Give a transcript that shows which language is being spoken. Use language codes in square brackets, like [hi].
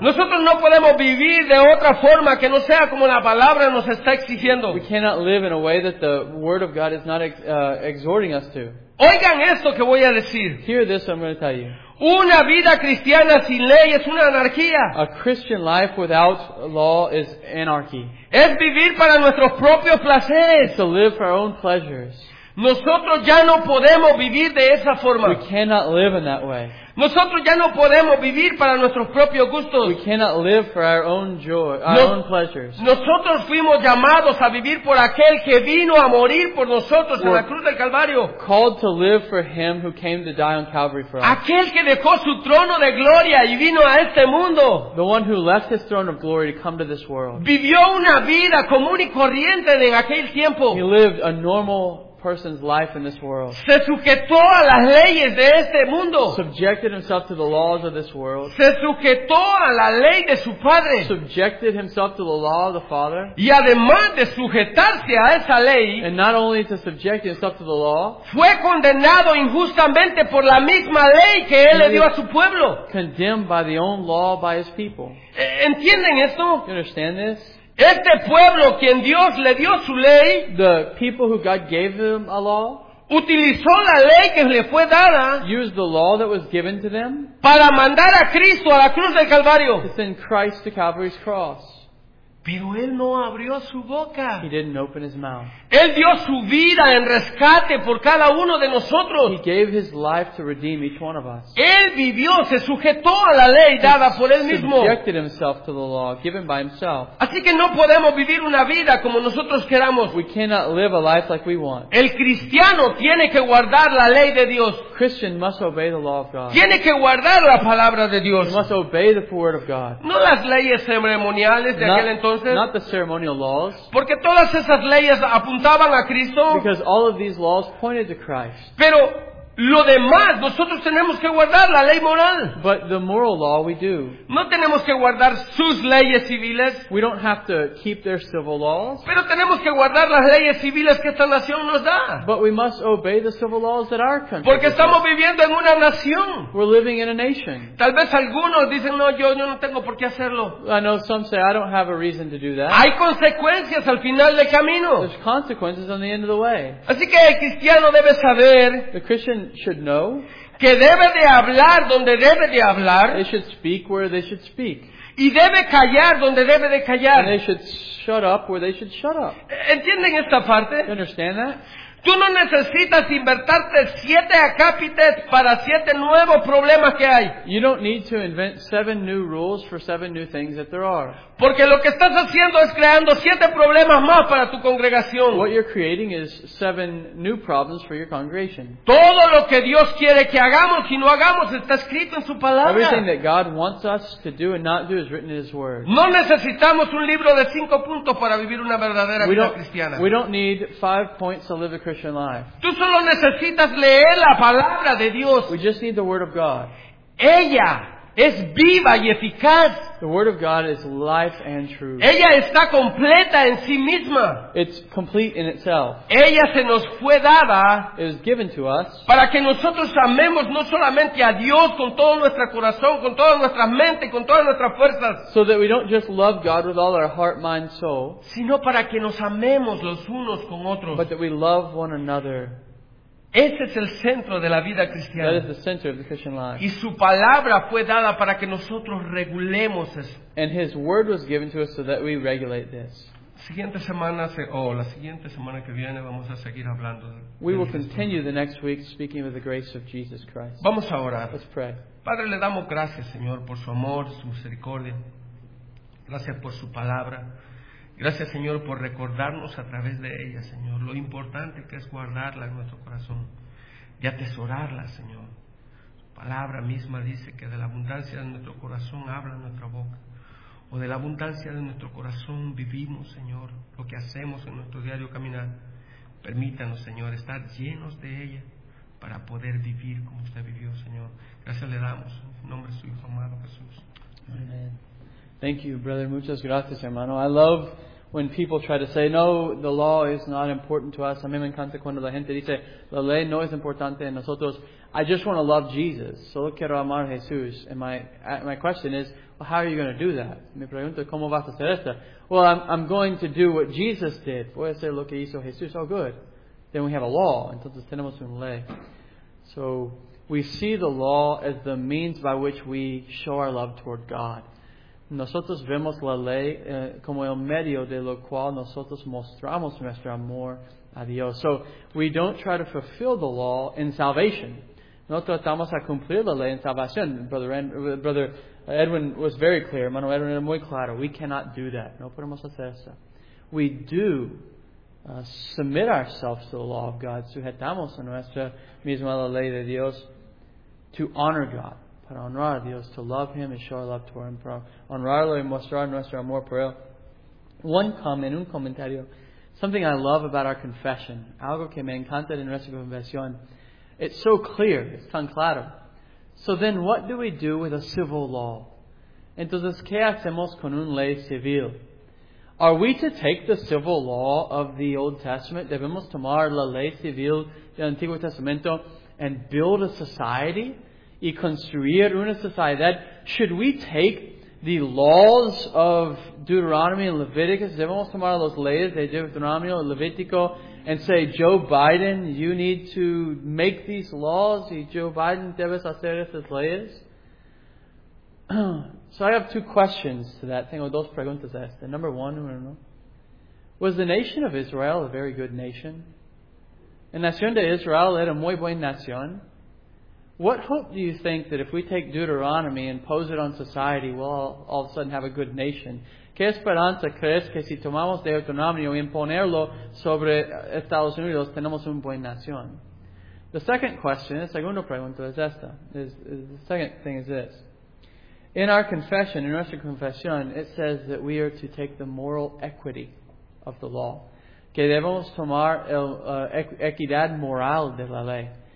[es] Nosotros no podemos vivir de otra forma que no sea como la palabra nos está exigiendo. [en] We cannot live in a way that the word of God is not exhorting us to. [es] Oigan esto que voy a decir. [en] Hear this, I'm going to tell you. [es] Una vida cristiana sin ley es una anarquía. [en] A Christian life without law is anarchy. [es] Es vivir para nuestros propios placeres. [en] To live for our own pleasures. [es] Nosotros ya no podemos vivir de esa forma. [en] We cannot live in that way. [es] Nosotros ya no podemos vivir para nuestros propios gustos. [en] We cannot live for our own joy, our own pleasures. [es] Nosotros fuimos llamados a vivir por aquel que vino a morir por nosotros en la cruz del Calvario. [en] Called to live for him who came to die on Calvary for us. [es] Aquel que dejó su trono de gloria y vino a este mundo. [en] The one who left his throne of glory to come to this world. [es] Vivió una vida común y corriente en aquel tiempo. [en] He lived a normal person's life in this world. [es] Se sujetó a las leyes de este mundo. [en] Subjected himself to the laws of this world. [es] Se sujetó a la ley de su padre. [en] Subjected himself to the law of the father. [es] Y además de sujetarse a esa ley, [en] and not only to subject himself to the law, [es] fue condenado injustamente por la misma ley que él le dio a su pueblo. [en] Condemned by the own law by his people. [es] ¿Entienden esto? [en] You understand this? [es] Este pueblo, quien Dios le dio su ley, [en] the people who God gave them a law, [es] utilizó la ley que le fue dada, [en] used the law that was given to them, [es] para mandar a Cristo a la cruz del Calvario, [en] to send Christ to Calvary's cross. [es] Pero él no abrió su boca. [en] He didn't open his mouth. [es] Él dio su vida en rescate por cada uno de nosotros. [en] He gave his life to redeem each one of us. [es] Él vivió, se sujetó a la ley dada [en] he [es] por él mismo. [en] Subjected himself to the law given by himself. [es] Así que no podemos vivir una vida como nosotros queramos. [en] We cannot live a life like we want. [es] El cristiano tiene que guardar la ley de Dios. [en] Christian must obey the law of God. [es] Tiene que guardar la palabra de Dios. [en] He must obey the word of God. [es] No las leyes ceremoniales de aquel entonces. [en] Not the ceremonial laws. [es] Porque todas esas leyes apuntaban a Cristo. [en] Because all of these laws pointed to Christ. [es] Pero lo demás, nosotros tenemos que guardar la ley moral. [en] But the moral law we do. [es] No tenemos que guardar sus leyes civiles. [en] We don't have to keep their civil laws. [es] Pero tenemos que guardar las leyes civiles que esta nación nos da. [en] But we must obey the civil laws that our country. [es] Porque estamos viviendo en una nación. [en] We're living in a nation. [es] Tal vez algunos dicen, no, yo no tengo por qué hacerlo. [en] I know some say, I don't have a reason to do that. [es] Hay consecuencias al final del camino. [en] There's consequences on the end of the way. [es] Así que el cristiano debe saber. [en] The Christian should know. [es] Que debe de hablar donde debe de hablar. [en] They should speak where they should speak. [es] Y debe callar donde debe de callar. [en] And they should shut up where they should shut up. [es] ¿Entienden esta parte? [en] You understand that? [es] Tú no necesitas inventarte 7 acápites para 7 nuevos problemas que hay. [en] You don't need to invent 7 new rules for 7 new things that there are. [es] Porque lo que estás haciendo es creando 7 problemas más para tu congregación. [en] What you're creating is 7 new problems for your congregation. [es] Todo lo que Dios quiere que hagamos y no hagamos está escrito en su palabra. [en] Everything that God wants us to do and not do is written in his word. [es] No necesitamos un libro de 5 puntos para vivir una verdadera vida cristiana. [en] We don't need 5 points to live a Christian life. [es] Tú solo necesitas leer la palabra de Dios. [en] We just need the word of God. [es] Ella es viva y eficaz. [en] The word of God is life and truth. [es] Ella está completa en sí misma. [en] It's complete in itself. [es] Ella se nos fue dada. [en] It was given to us. [es] Para que nosotros amemos no solamente a Dios con todo nuestro corazón, con toda nuestra mente, con todas nuestras fuerzas. [en] So that we don't just love God with all our heart, mind, soul. [es] Sino para que nos amemos los unos con otros. [en] But that we love one another. [es] Ese es el centro de la vida cristiana. [en] That is the center of the Christian life. [es] Y su palabra fue dada para que nosotros regulemos eso. [en] And his word was given to us so that we regulate this. [es] Siguiente semana la siguiente semana que viene vamos a seguir hablando. [en] We will continue the next week speaking of the grace of Jesus Christ. [es] Vamos a orar. [en] Let's pray. [es] Padre, le damos gracias, Señor, por su amor, su misericordia. Gracias por su palabra. Gracias, Señor, por recordarnos a través de ella, Señor, lo importante que es guardarla en nuestro corazón y atesorarla, Señor. Su palabra misma dice que de la abundancia de nuestro corazón habla nuestra boca, o de la abundancia de nuestro corazón vivimos, Señor, lo que hacemos en nuestro diario caminar. Permítanos, Señor, estar llenos de ella para poder vivir como usted vivió, Señor. Gracias le damos en nombre de su Hijo amado Jesús. Amén. [en] Thank you, brother. [es] Muchas gracias, hermano. [en] I love when people try to say, no, the law is not important to us. [es] A mí me encanta cuando la gente dice, la ley no es importante en nosotros. [en] I just want to love Jesus. [es] Solo quiero amar a Jesús. [en] And my question is, well, how are you going to do that? [es] Me pregunto, ¿cómo vas a hacer esto? [en] Well, I'm going to do what Jesus did. [es] Voy a hacer lo que hizo Jesús. [en] Oh, good. Then we have a law. [es] Entonces tenemos una ley. [en] So we see the law as the means by which we show our love toward God. [es] Nosotros vemos la ley como el medio de lo cual nosotros mostramos nuestro amor a Dios. [en] So we don't try to fulfill the law in salvation. [es] No tratamos a cumplir la ley en salvación. [en] Brother Edwin was very clear. [es] Hermano Edwin era muy claro. [en] We cannot do that. [es] No podemos hacer eso. [en] We do submit ourselves to the law of God. [es] Sujetamos a nuestra misma la ley de Dios [en] to honor God. [es] Para honrar a Dios, [en] to love Him and show our love toward Him, [es] para honrarlo y mostrar nuestro amor por Él. [en] One comment, [es] un comentario, [en] something I love about our confession, [es] algo que me encanta de nuestra confesión, [en] it's so clear, it's [es] tan claro. [en] So then, what do we do with a civil law? [es] Entonces, ¿qué hacemos con una ley civil? [en] Are we to take the civil law of the Old Testament? [es] ¿Debemos tomar la ley civil del Antiguo Testamento [en] and build a society? [es] Y construir una sociedad. [en] Should we take the laws of Deuteronomy and Leviticus? [es] Debemos tomar las leyes de [en] Deuteronomy and Leviticus and say, Joe Biden, you need to make these laws. [es] Y Joe Biden, debes hacer esas leyes. [en] So I have two questions to that. [es] Tengo dos preguntas a este. [en] Number one, [es] uno. [en] Was the nation of Israel a very good nation? [es] La nación de Israel era muy buena nación. [en] What hope do you think that if we take Deuteronomy and impose it on society, we'll all of a sudden have a good nation? [es] ¿Qué esperanza crees que si tomamos Deuteronomio y imponerlo sobre Estados Unidos, tenemos una buena nación? [en] The second question, [es] la segunda pregunta es esta. [en] The second thing is this. In our confession, [es] in nuestra confesión, [en] it says that we are to take the moral equity of the law. [es] Que debemos tomar equidad moral de la ley.